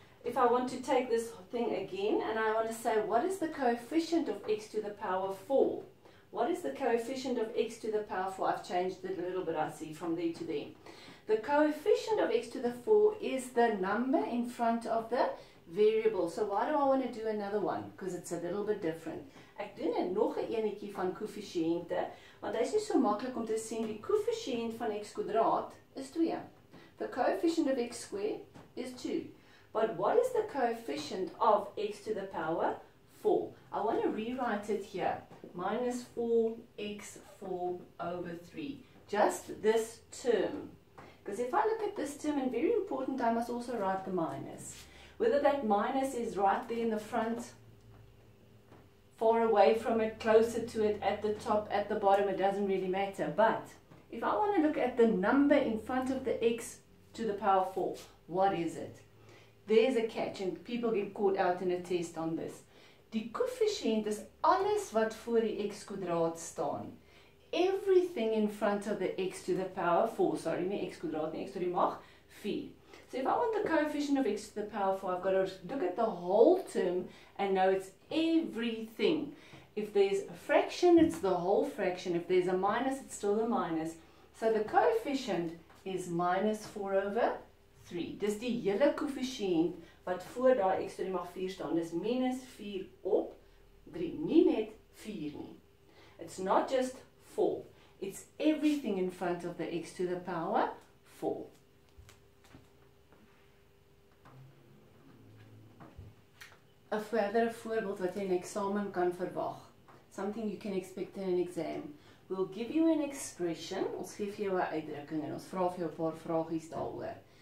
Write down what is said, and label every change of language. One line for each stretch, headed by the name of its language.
English: If I want to take this thing again and I want to say, what is the coefficient of x to the power 4? What is the coefficient of x to the power 4? I've changed it a little bit, I see, from there to there. The coefficient of x to the 4 is the number in front of the variable. So why do I want to do another one? Because it's a little bit different.
Afrikaans: Ek doen net nog 'n eenetjie van koëffisiënte, want dit is nie so maklik om te sien die koëffisiënt van x kwadraat is 2.
English: The coefficient of x squared is 2. But what is the coefficient of x to the power 4? I want to rewrite it here. Minus 4x 4 over 3. Just this term. Because if I look at this term, and very important, I must also write the minus. Whether that minus is right there in the front, far away from it, closer to it, at the top, at the bottom, it doesn't really matter. But if I want to look at the number in front of the x to the power 4, what is it? There's a catch, and people get caught out in a test on this.
Afrikaans: Die koëffisiënt is alles wat voor die x kwadraat staan.
English: Everything in front of the x to the power 4, sorry,
Afrikaans: nie x kwadraat nie, x tot die mag 4.
English: So if I want the coefficient of x to the power 4, I've got to look at the whole term and know it's everything. If there's a fraction, it's the whole fraction. If there's a minus, it's still a minus. So the coefficient is minus 4 over 3.
Afrikaans: Dis die hele koëffisiënt wat voor daai x tot die mag 4 staan. Dis minus 4 op 3. Nie net 4 nie.
English: It's not just 4. It's everything in front of the x to the power 4.
Afrikaans: A verder voorbeeld wat jy in eksamen kan verwag.
English: Something you can expect in an exam. We'll give you an expression.
Afrikaans: Ons gee vir jou 'n uitdrukking en ons vra vir jou 'n paar vragies daaroor.